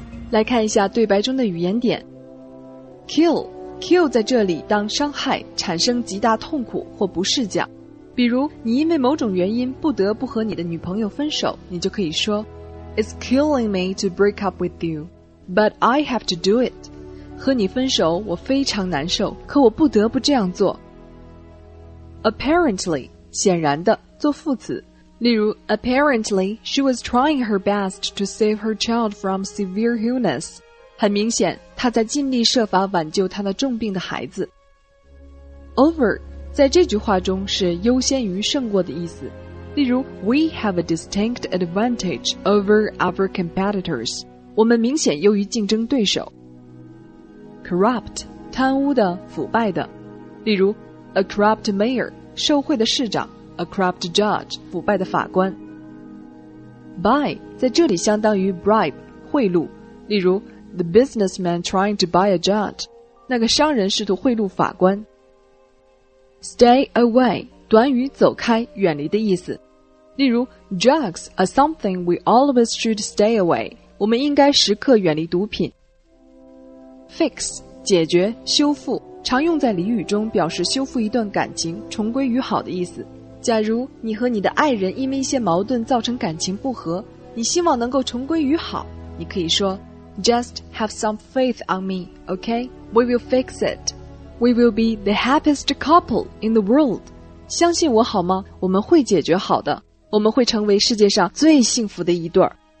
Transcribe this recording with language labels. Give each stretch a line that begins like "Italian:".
Chinese: 来看一下对白中的语言点。 Kill, kill 在这里当伤害产生极大痛苦或不适讲，比如你因为某种原因不得不和你的女朋友分手，你就可以说
English: It's killing me to break up with you, but I have to do it.
Chinese: 和你分手我非常难受，可我不得不这样做。
English: Apparently,
Chinese: 显然的，做副词，例如
English: Apparently, she was trying her best to save her child from severe illness.
Chinese: 很明显，她在尽力设法挽救她的重病的孩子。
English: Over,
Chinese: 在这句话中是优先于胜过的意思。例如
English: We have a distinct advantage over our competitors.
Chinese: 我们明显优于竞争对手。
English: Corrupt,
Chinese: 贪污的、腐败的。例如
English: A corrupt mayor,
Chinese: 受贿的市长。
English: A corrupt judge,
Chinese: 腐败的法官。
English: Buy,
Chinese: 在这里相当于 bribe, 贿赂。例如
English: The businessman trying to buy a judge,
Chinese: 那个商人试图贿赂法官。
English: Stay away,
Chinese: 短语走开、远离的意思。例如
English: Drugs are something we always should stay away,
Chinese: 我们应该时刻远离毒品。
English: Fix,
Chinese: 解决、修复，常用在俚语中表示修复一段感情、重归于好的意思。假如你和你的爱人因为一些矛盾造成感情不和，你希望能够重归于好，你可以说
English: Just have some faith on me, okay? We will fix it. We will be the happiest couple in the world.
Chinese: 相信我好吗？我们会解决好的，我们会成为世界上最幸福的一对儿。